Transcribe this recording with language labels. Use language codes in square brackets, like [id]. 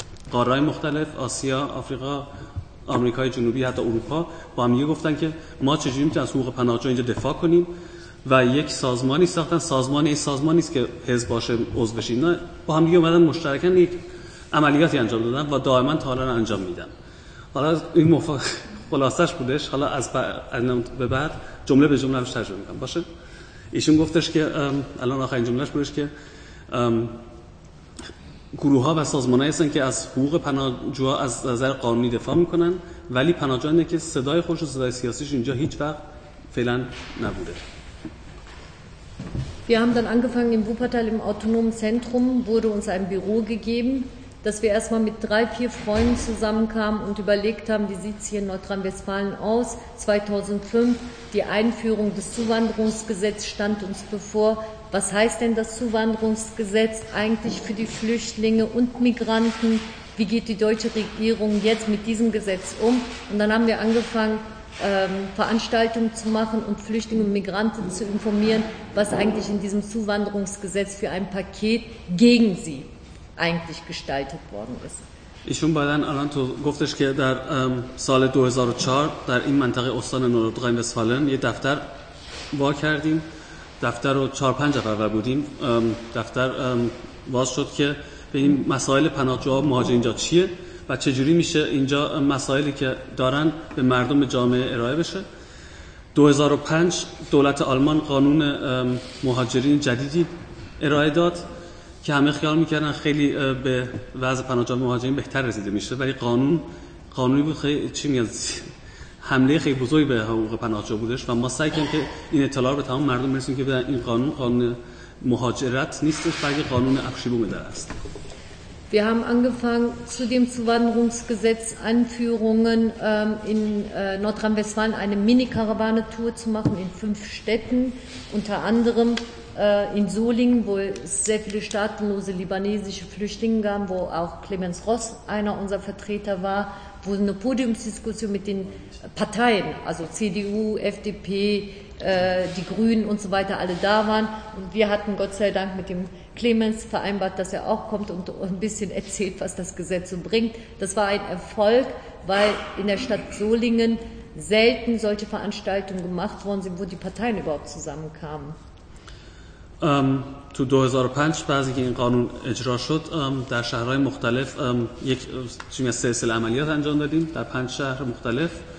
[fa] قاره‌های مختلف آسیا، آفریقا، آمریکای جنوبی حتی اروپا با هم یه گفتن که ما چجوری میتونیم از حقوق پناهجو اینجا دفاع کنیم و یک سازمانی ساختن سازمانی است که حزب باشه عضو بشین با هم دیگه اومدن مشترکاً یک عملیاتی انجام دادن و دائما تا حالا انجام میدن حالا این خلاصش بودش حالا از به بعد جمله به جمله اش ترجمه میکنم باشه ایشون گفتش که الان آخرین جمله اش بودش که گروه ها و سازمان هایی هستن که از حقوق پناهجوها از نظر قانونی دفاع میکنن ولی پناهجو اینه که صدای خودش و صدای سیاسیش اینجا هیچ وقت فعلا نبوده. [de] Wir haben dann angefangen in Wuppertal im autonomen Zentrum wurde uns ein Büro gegeben, dass wir erstmal mit 3, 4 Freunden zusammenkamen und überlegt haben, wie sieht es hier in Nordrhein-Westfalen aus. 2005, die Einführung des Zuwanderungsgesetzes stand uns bevor. Was heißt denn das Zuwanderungsgesetz eigentlich für die Flüchtlinge und Migranten? Wie geht die deutsche Regierung jetzt mit diesem Gesetz um? Und dann haben wir angefangen, Veranstaltungen zu machen und Flüchtlinge und Migranten zu informieren, was eigentlich in diesem Zuwanderungsgesetz für ein Paket gegen sie eigentlich gestaltet worden ist. Ich schon bei dann Alanto [fa] گفتش که در سال 2004 در این منطقه استان نوردرین-وستفالن یه دفتر وا کردیم. دفتر رو 4-5 نفر بودیم. دفتر باز شد که ببینیم مسائل پناهجوها مهاجر اینجا چیه و چه جوری میشه اینجا مسائلی که دارن به مردم جامعه ارائه بشه. 2005 دولت آلمان قانون مهاجرین جدیدی ارائه داد. که همه خیال میکردن خیلی به وضع پناهجوها مهاجرین بهتر رسیده میشه ولی قانونی بود خیلی چی میگن حمله خیلی بزرگی به حقوق پناهجو بودش و ما سعی کردیم که این اطلاع رو به تمام مردم برسونیم که بدن این قانون مهاجرت نیستش بلکه قانون ابشیبومه در است. [de] Wir haben angefangen zu dem Zuwanderungsgesetz Anführungen in Nordrhein-Westfalen eine Mini-Karawane-Tour zu machen in 5 Städten, unter anderem in Solingen, wo es sehr viele staatenlose libanesische Flüchtlinge gab, wo auch Clemens Ross einer unserer Vertreter war, wo eine Podiumsdiskussion mit den Parteien, also CDU, FDP, die Grünen und so weiter, alle da waren. Und wir hatten Gott sei Dank mit dem Clemens vereinbart, dass er auch kommt und ein bisschen erzählt, was das Gesetz so bringt. Das war ein Erfolg, weil in der Stadt Solingen selten solche Veranstaltungen gemacht worden sind, wo die Parteien überhaupt zusammenkamen. [fa] تو 2005 بعضی که این قانون اجرا شد در شهرهای مختلف یک سلسله عملیات انجام دادیم در 5 شهر مختلف.